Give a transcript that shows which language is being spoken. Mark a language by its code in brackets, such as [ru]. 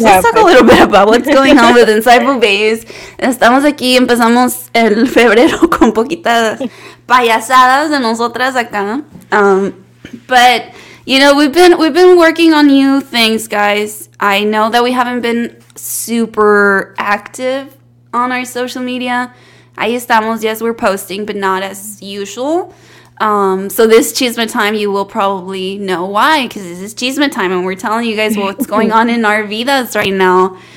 [en] Yeah, let's talk a little bit about what's going on with Insightful Babes. [es] Estamos aquí, empezamos el febrero con poquitas payasadas de nosotras acá. [en] But, you know, we've been working on new things, guys. I know that we haven't been super active on our social media. [es] Ahí estamos, [en] yes, we're posting, but not as usual. So this chisme time, you will probably know why, because this is chisme time, and we're telling you guys what's going on in our vidas right now.